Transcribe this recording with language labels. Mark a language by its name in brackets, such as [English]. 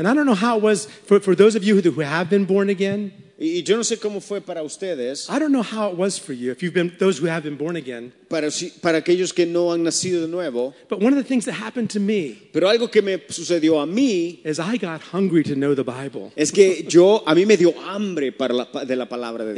[English] And I don't know how it was for those of you who have been born again. [Spanish] Y yo no sé cómo fue para ustedes. [English] I don't know how it was for you, if you've been those who have been born again. [Spanish] Para aquellos que no han nacido de nuevo. [English] But one of the things that happened to me. [Spanish] Pero algo que me sucedió a mí. [English] Is I got hungry to know the Bible. [Spanish] Es que yo a mí me dio hambre para de la palabra de Dios.